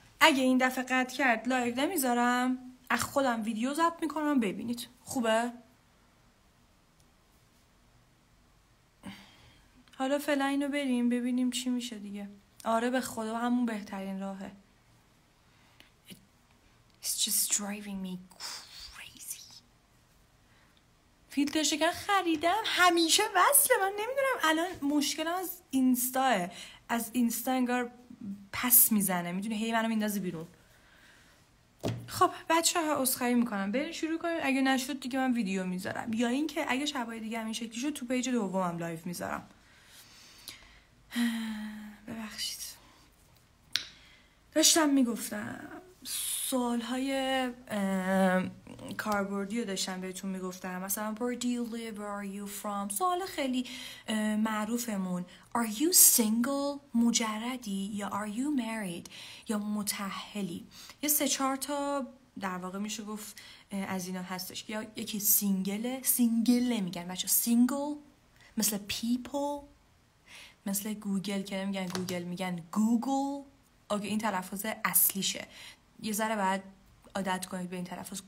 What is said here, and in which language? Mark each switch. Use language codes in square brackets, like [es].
[fa] اگه این دفعه قطع کرد لایک نمیذارم، از خودم ویدیو ضبط میکنم ببینید. خوبه؟ حالا فعلا اینو بریم ببینیم چی میشه دیگه. آره به خدا همون بهترین راهه. [en] It's just driving me crazy. [fa] فیلتر شکن خریدم، همیشه وصله. من نمیدونم الان مشکلم از اینستاه، از اینستا انگار پس میزنه، میدونی هی منو میندازه بیرون. خب بچه ها عذرخواهی میکنم، بریم شروع کنیم. اگه نشد دیگه من ویدیو میذارم، یا اینکه اگه شبای دیگه همین شکلی شد تو پیج دومم لایف میذارم. ببخشید داشتم میگفتم سوالهای کاربردی رو داشتم بهتون میگفتم. مثلا [en] where do you live, where are you from، [fa] سوال خیلی معروفمون. [en] Are you single، [fa] مجردی، یا [en] are you married، [fa] یا متأهلی. یه سه چهار تا در واقع میشه گفت از اینا هستش. یا یکی سینگله، سینگل نمیگن بچه، سینگل مثل people، مثل گوگل که نمیگن گوگل میگن گوگل. اوکی این تلفظ اصلیشه، یه ذره باید عادت کنید به این تلفظ.